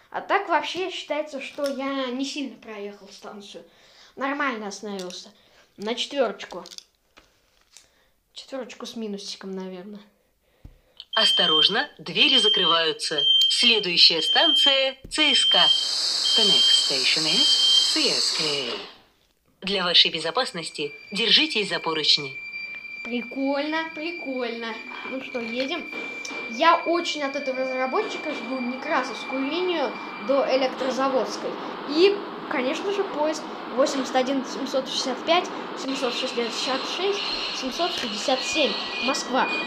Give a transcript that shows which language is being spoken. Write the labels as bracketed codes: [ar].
[ru] А так вообще считается, что я не сильно проехал станцию. Нормально остановился. На четверочку. Четверочку с минусиком, наверное. Осторожно, двери закрываются. Следующая станция – ЦСКА. [en] The next station is CSKA. [ru] Для вашей безопасности держитесь за поручни. Прикольно, прикольно. Ну что, едем? Я очень от этого разработчика жду Некрасовскую линию до Электрозаводской. И, конечно же, поезд 81-765-766-767. Москва.